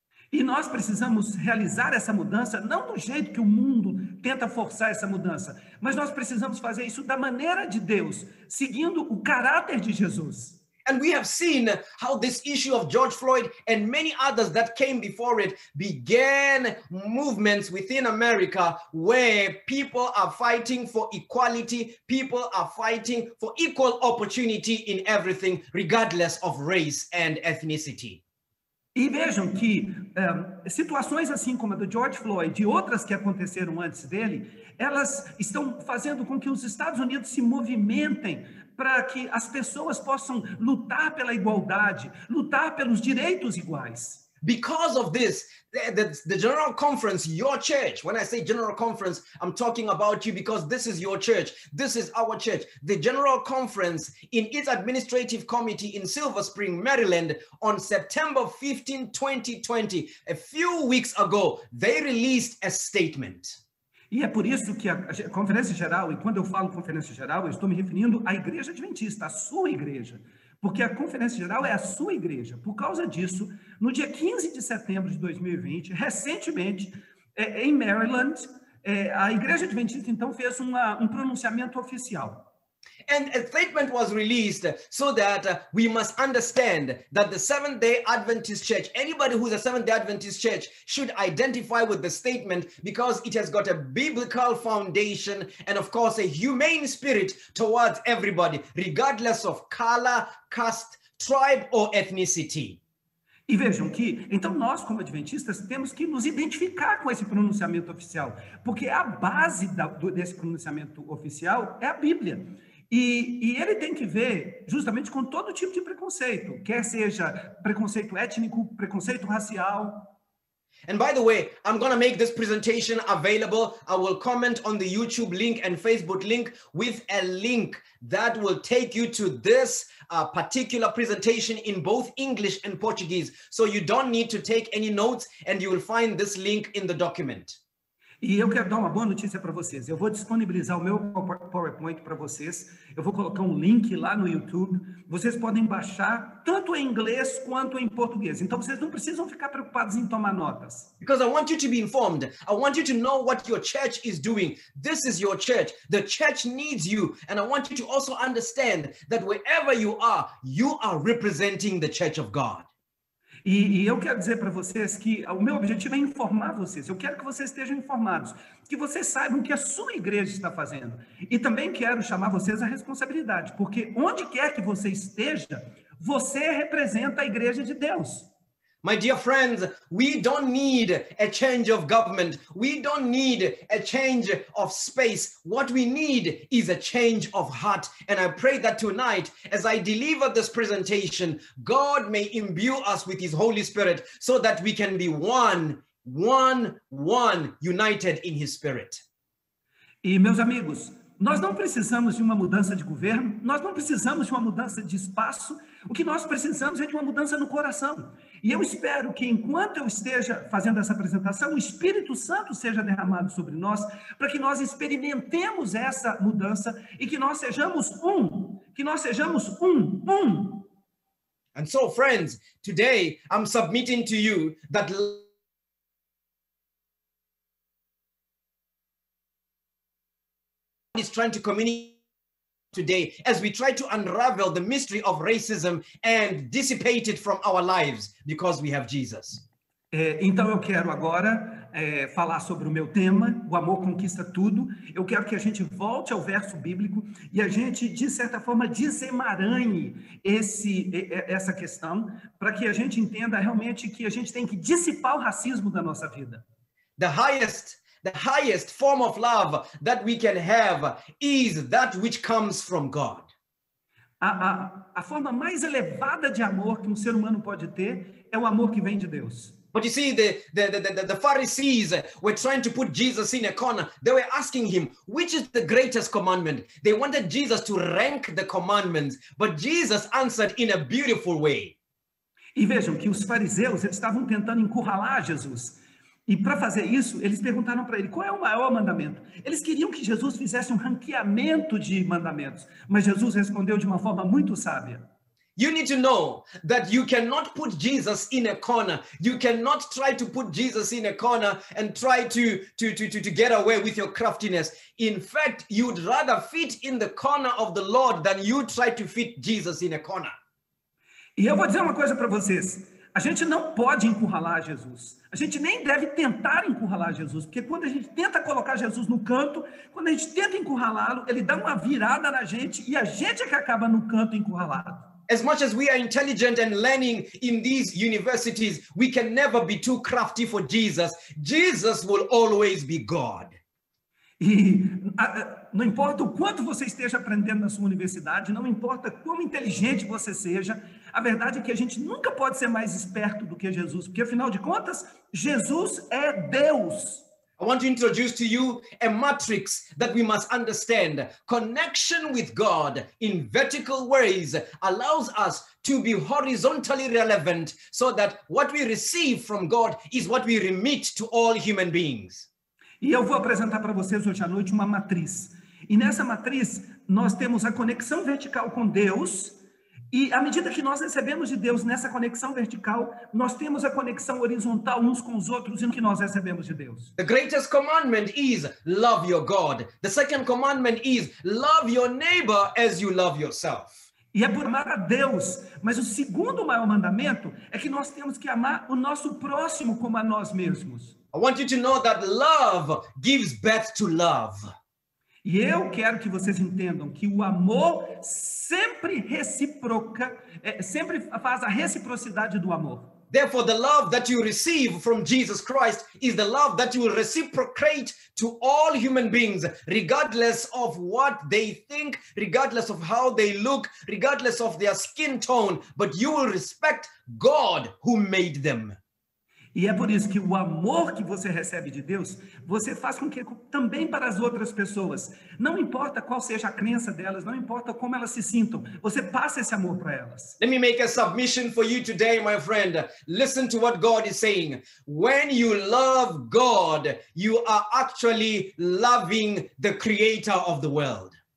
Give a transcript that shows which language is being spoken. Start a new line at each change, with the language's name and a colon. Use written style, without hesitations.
Portuguese: E nós precisamos realizar essa mudança não do jeito que o mundo tenta forçar essa mudança, mas nós precisamos fazer isso da maneira de Deus, seguindo o caráter de Jesus.
English: And we have seen how this issue of George Floyd and many others that came before it began movements within America where people are fighting for equality, people are fighting for equal opportunity in everything, regardless of race and ethnicity.
Portuguese: E vejam que situações assim como a do George Floyd e outras que aconteceram antes dele, elas estão fazendo com que os Estados Unidos se movimentem para que as pessoas possam lutar pela igualdade, lutar pelos direitos iguais.
English: Because of this, the General Conference, your church, when I say General Conference, I'm talking about you because this is your church, this is our church. The General Conference, in its administrative committee in Silver Spring, Maryland, on September 15, 2020, a few weeks ago, they released a statement.
Portuguese: E é por isso que a Conferência Geral, e quando eu falo Conferência Geral, eu estou me referindo à Igreja Adventista, à sua igreja. Porque a Conferência Geral é a sua igreja. Por causa disso, no dia 15 de setembro de 2020, recentemente, em Maryland, a Igreja Adventista, então, fez um pronunciamento oficial.
English: And a statement was released so that we must understand that the Seventh-day Adventist Church, anybody who is a Seventh-day Adventist Church should identify with the statement because it has got a biblical foundation and of course a humane spirit towards everybody, regardless of color, caste, tribe or ethnicity.
Portuguese: E vejam que, então nós como adventistas temos que nos identificar com esse pronunciamento oficial, porque a base desse pronunciamento oficial é a Bíblia. E ele tem que ver justamente com todo tipo de preconceito, quer seja preconceito étnico, preconceito racial.
English: And by the way, I'm going to make this presentation available. I will comment on the YouTube link and Facebook link with a link that will take you to this particular presentation in both English and Portuguese. So you don't need to take any notes and you will find this link in the document.
Portuguese: E eu quero dar uma boa notícia para vocês. Eu vou disponibilizar o meu PowerPoint para vocês. Eu vou colocar um link lá no YouTube. Vocês podem baixar tanto em inglês quanto em português. Então vocês não precisam ficar preocupados em tomar notas.
English: Because I want you to be informed. I want you to know what your church is doing. This is your church. The church needs you. And I want you to also understand that wherever you are representing the church of God.
Portuguese: E eu quero dizer para vocês que o meu objetivo é informar vocês. Eu quero que vocês estejam informados, que vocês saibam o que a sua igreja está fazendo. E também quero chamar vocês à responsabilidade, porque onde quer que você esteja, você representa a igreja de Deus.
English: My dear friends, we don't need a change of government. We don't need a change of space. What we need is a change of heart. And I pray that tonight, as I deliver this presentation, God may imbue us with His Holy Spirit so that we can be one one, united in his spirit.
Portuguese: E, meus amigos, nós não precisamos de uma mudança de governo, nós não precisamos de uma mudança de espaço, o que nós precisamos é de uma mudança no coração. E eu espero que, enquanto eu esteja fazendo essa apresentação, o Espírito Santo seja derramado sobre nós, para que nós experimentemos essa mudança e que nós sejamos um, que nós sejamos um.
English: And so, friends, today I'm submitting to you that... is trying to communicate today as we try to unravel the mystery of racism and dissipate it from our lives because we have Jesus.
Portuguese: Então eu quero agora falar sobre o meu tema, o amor conquista tudo. Eu quero que a gente volte ao verso bíblico e a gente, de certa forma, desemaranhe essa questão para que a gente entenda realmente que a gente tem que dissipar o racismo da nossa vida.
English: The highest form of love that we can have is that which comes from God.
Portuguese: A forma mais elevada de amor que ser humano pode ter é o amor que vem de Deus.
English: But you see, the Pharisees were trying to put Jesus in a corner. They were asking him, which is the greatest commandment? They wanted Jesus to rank the commandments, but Jesus answered in a beautiful way.
Portuguese: E vejam que os fariseus estavam tentando encurralar Jesus. E para fazer isso, eles perguntaram para ele, qual é o maior mandamento? Eles queriam que Jesus fizesse um ranqueamento de mandamentos, mas Jesus respondeu de uma forma muito sábia.
English: You need to know that you cannot put Jesus in a corner. You cannot try to put Jesus in a corner and try to get away with your craftiness. In fact, you'd rather fit in the corner of the Lord than you try to fit Jesus in a corner.
Portuguese: E eu vou dizer uma coisa para vocês. A gente não pode encurralar Jesus. A gente nem deve tentar encurralar Jesus, porque quando a gente tenta colocar Jesus no canto, quando a gente tenta encurralá-lo, ele dá uma virada na gente e a gente é que acaba no canto encurralado.
English: As much as we are intelligent and learning in these universities, we can never be too crafty for Jesus. Jesus will always be God.
Portuguese: E não importa o quanto você esteja aprendendo na sua universidade, não importa quão inteligente você seja, a verdade é que a gente nunca pode ser mais esperto do que Jesus, porque afinal de contas, Jesus é Deus.
English: I want to introduce to you a matrix that we must understand. Connection with God in vertical ways allows us to be horizontally relevant so that what we receive from God is what we remit to all human beings.
Portuguese: E eu vou apresentar para vocês hoje à noite uma matriz. E nessa matriz, nós temos a conexão vertical com Deus. E à medida que nós recebemos de Deus nessa conexão vertical, nós temos a conexão horizontal uns com os outros e no que nós recebemos de Deus.
English: The greatest commandment is love your God. The second commandment is love your neighbor as you love yourself.
Portuguese: E é por amar a Deus. Mas o segundo maior mandamento é que nós temos que amar o nosso próximo como a nós mesmos.
English: I want you to know that love gives birth to love.
Portuguese: E eu quero que vocês entendam que o amor sempre reciproca, sempre faz a reciprocidade do amor.
English: Therefore, the love that you receive from Jesus Christ is the love that you will reciprocate to all human beings, regardless of what they think, regardless of how they look, regardless of their skin tone, but you will respect God who made them.
Portuguese: E é por isso que o amor que você recebe de Deus, você faz com que também para as outras pessoas, não importa qual seja a crença delas, não importa como elas se sintam, você passa esse amor para elas.
English: Let me make a submission for you today, my friend. Listen to what God is saying. When you love God, you are actually loving the creator of the world.